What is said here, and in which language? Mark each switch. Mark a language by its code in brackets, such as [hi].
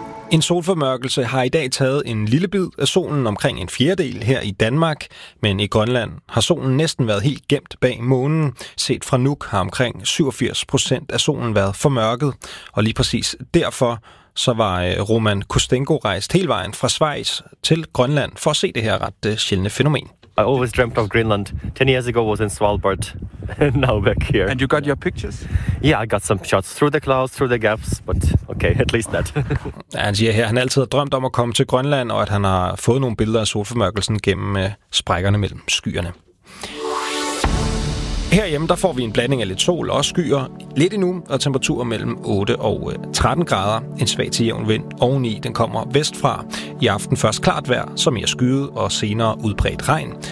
[da] En solformørkelse har i dag taget en lille bid af solen, omkring en fjerdedel her i Danmark, men i Grønland har solen næsten været helt gemt bag månen. Set fra Nuuk har omkring 87% af solen været formørket, og lige præcis derfor så var Roman Kostenko rejst hele vejen fra Schweiz til Grønland for at se det her ret sjældne fænomen. [en] I always dreamt of Greenland. 10 years ago was in Svalbard, and now back here. And you got your pictures? Yeah, I got some shots through the clouds, through the gaps, but okay, at least that. [da] Han siger her, han altid har drømt om at komme til Grønland, og at han har fået nogle billeder af solformørkelsen gennem sprækkerne mellem skyerne. Herhjemme, der får vi en blanding af lidt sol og skyer lidt endnu, og temperaturer mellem 8 og 13 grader. En svag til jævn vind oveni, den kommer vestfra. I aften først klart vejr, så mere skyet og senere udbredt regn.